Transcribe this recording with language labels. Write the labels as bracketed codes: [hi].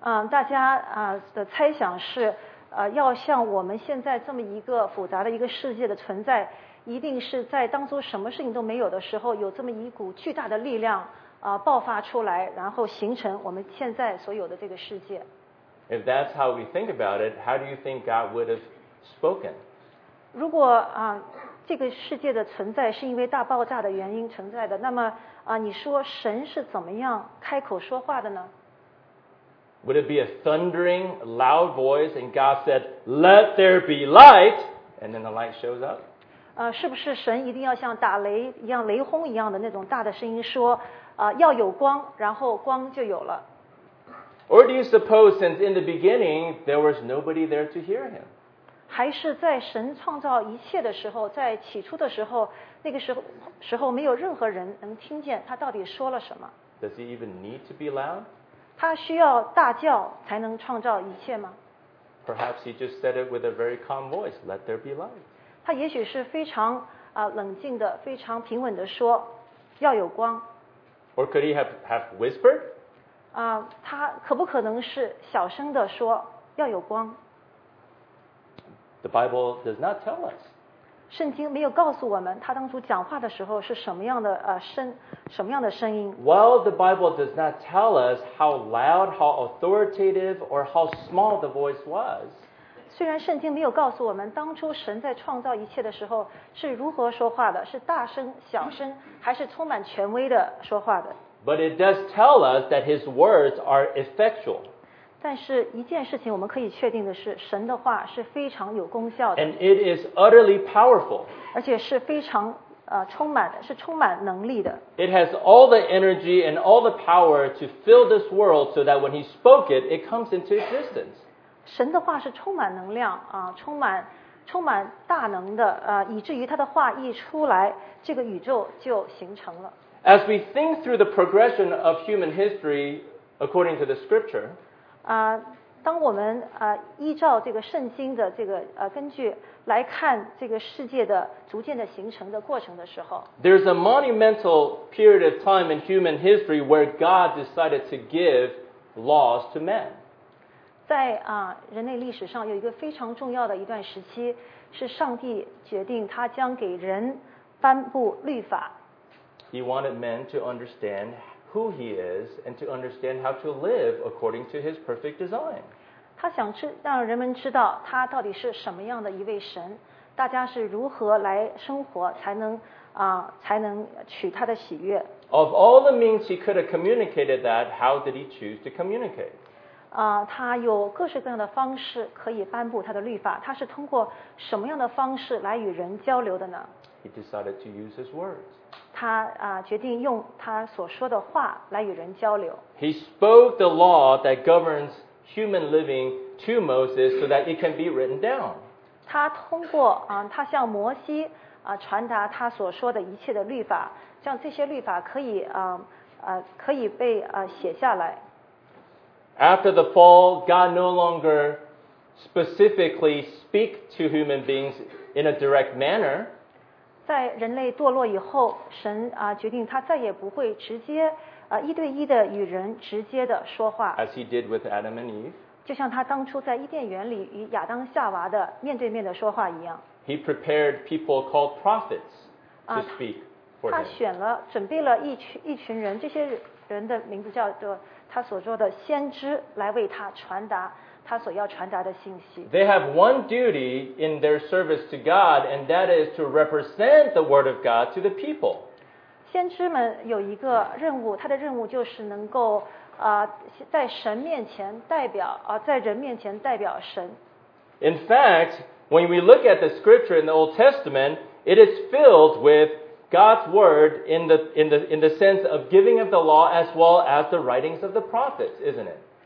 [zh] 大家的猜想是，要像我们现在这么一个复杂的一个世界的存在，一定是在当初什么事情都没有的时候，有这么一股巨大的力量爆发出来，然后形成我们现在所有的这个世界。 [en] If that's how we think about it, how do you think God would have spoken? [zh] 如果这个世界的存在是因为大爆炸的原因存在的。那么，你说神是怎么样开口说话的呢？ [en] Would it be a thundering, loud voice, and God said, "Let there be light," and then the light shows up? [zh] 是不是神一定要像打雷一样、雷轰一样的那种大的声音说，要有光，然后光就有了？ [en] Or do you suppose, since in the beginning there was nobody there to hear him? [zh] 还是在神创造一切的时候，在起初的时候，那个时候没有任何人能听见他到底说了什么。 [en] Does he even need to be loud? [zh] 他需要大叫才能创造一切吗？ [en] Perhaps he just said it with a very calm voice, "Let there be light." [zh] 他也许是非常冷静的、非常平稳的说，要有光。 [en] Or could he have whispered? [zh] 他可不可能是小声的说，要有光？ [en] The Bible does not tell us. [zh] 圣经没有告诉我们他当初讲话的时候是什么样的什么样的声音。 [en] While the Bible does not tell us how loud, how authoritative, or how small the voice was. [zh] 虽然圣经没有告诉我们当初神在创造一切的时候是如何说话的，是大声、小声，还是充满权威的说话的。 [en] But it does tell us that his words are effectual. [zh] 但是一件事情我们可以确定的是，神的话是非常有功效的。 [en] And it is utterly powerful. [zh] 而且是非常是充满能力的。 [en] It has all the energy and all the power to fill this world so that when he spoke it, it comes into existence. [zh] 神的话是充满能量，充满充满大能的，以至于他的话一出来，这个宇宙就形成了。 [en] As we think through the progression of human history according to the scripture, [zh] 当我们依照这个圣经的这个根据来看这个世界的逐渐的形成的过程的时候 [en] ，There's a monumental period of time in human history where God decided to give laws to man. [zh] 在人类历史上有一个非常重要的一段时期，是上帝决定他将给人颁布律法。 [en] He wanted men to understand who he is and to understand how to live according to his perfect design. [zh] 他想让人们知道他到底是什么样的一位神，大家是如何来生活才能取他的喜悦。 [en] Of all the means he could have communicated that, how did he choose to communicate? [zh] 他有各式各样的方式可以颁布他的律法，他是通过什么样的方式来与人交流的呢？ [en] He decided to use his words. [zh] 他决定用他所说的话来与人交流。 [en] He spoke the law that governs human living to Moses so that it can be written down. [zh] 他通过他向摩西传达他所说的一切的律法，让这些律法可以被写下来。 [en] After the fall, God no longer specifically speak to human beings in a direct manner. [zh] 在人类堕落以后，神决定他再也不会直接一对一的与人直接的说话。 [en] As he did with Adam and Eve. [zh] 就像他当初在伊甸园里与亚当夏娃的面对面的说话一样。 [en] He prepared people called prophets to speak for him. [zh] 他选了准备了一群人，这些人的名字叫做他所说的先知，来为他传达他所要传达的信息。 [en] They have one duty in their service to God, and that is to represent the word of God to the people. [zh] 先知们有一个任务，他的任务就是能够在神面前代表在人面前代表神。 [en] In fact,When we look at the scripture in the Old Testament, it is filled with God's word in the sense of giving of the law as well as the writings of the prophets, isn't it?